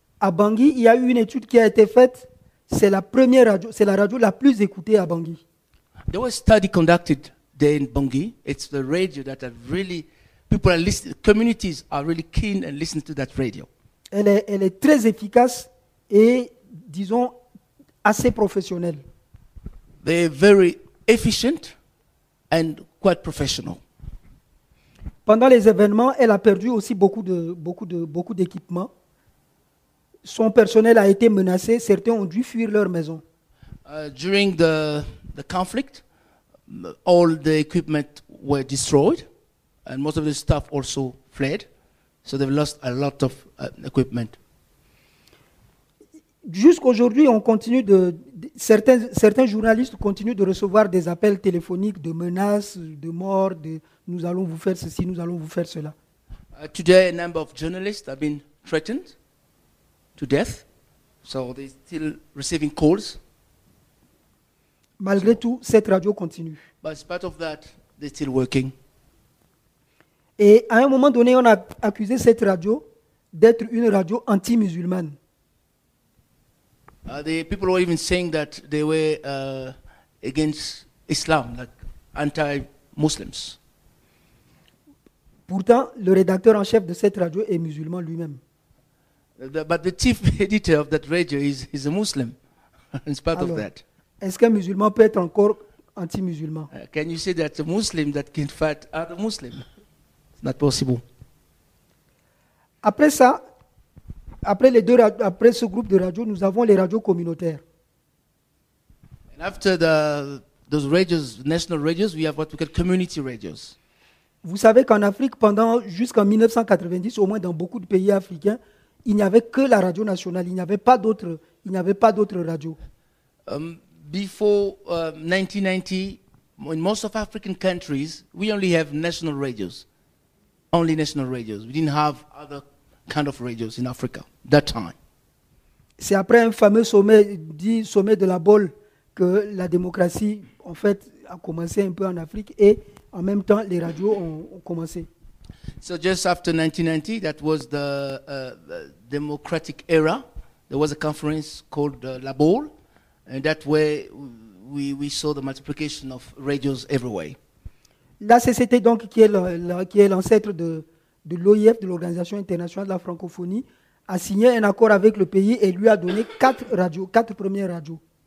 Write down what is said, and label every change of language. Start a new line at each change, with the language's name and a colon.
French: À Bangui, il y a eu une étude qui a été faite. C'est la première radio, c'est la radio la plus écoutée à Bangui.
English: There was a study conducted there in Bangui. It's the radio that are really people are listening. Communities are really keen and listen to that radio.
French: Elle est très efficace et disons assez professionnelle.
English: They're very efficient and quite professional.
French: Pendant les événements, elle a perdu aussi beaucoup d'équipements. Son personnel a été menacé, certains ont dû fuir leur maison.
English: During the conflict, all the equipment were destroyed and most of the staff also fled. So they've lost a lot of equipment.
French: Jusqu'aujourd'hui, on continue certains journalistes continuent de recevoir des appels téléphoniques de menaces, de mort, de nous allons vous faire ceci, nous allons vous faire cela.
English: Today, a number of journalists have been threatened to death, so they're still receiving calls.
French: Malgré tout, cette radio continue.
English: But in spite of that, they're still working.
French: Et à un moment donné, on a accusé cette radio d'être une radio anti-musulmane.
English: The people were even saying that they were against Islam, like anti-Muslims.
French: Pourtant, le rédacteur en chef de cette radio est musulman lui-même.
English: But the chief editor of that radio is a Muslim, in spite
French: Alors,
English: of that.
French: Est-ce qu'un musulman peut être encore anti-musulman?
English: Can you say that a Muslim that can fight other Muslims? It's not possible.
French: Après ça. Après ce groupe de radio, nous avons les radios communautaires.
English: And after those radios, national radios, we have what we call community radios.
French: Vous savez qu'en Afrique, pendant jusqu'en 1990, au moins dans beaucoup de pays africains, il n'y avait que la radio nationale. Il n'y avait pas d'autres radios.
English: Before 1990, in most of African countries, we only have national radios. Only national radios. We didn't have other kind of radios in Africa. That time.
French: C'est après un fameux sommet, dit sommet de la Bolle, que la démocratie, en fait, a commencé un peu en Afrique et en même temps, les radios ont commencé.
English: So just after 1990, that was the democratic era. There was a conference called La Bolle, and that way we saw the multiplication of radios everywhere.
French: La CCT donc qui est l'ancêtre de l'OIF, de l'Organisation internationale de la francophonie, a signé un accord avec le pays et lui a donné quatre premières radios.